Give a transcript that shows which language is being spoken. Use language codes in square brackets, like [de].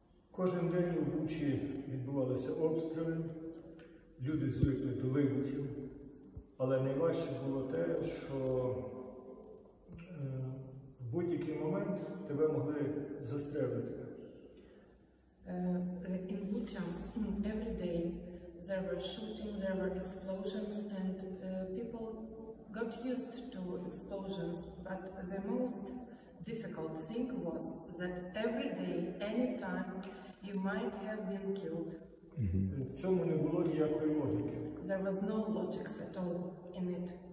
[uk] Кожен день у Бучі відбувалися обстріли, люди звикли до вибухів, але найважче було те, що будь-який момент тебе могли застрелити. [en] In Bucha, every day there were shooting, there were explosions, and people got used to explosions. But the most difficult thing was that every day, any time, you might have been killed. [uk] В цьому не було ніякої логіки. [en] There was no logic at all in it.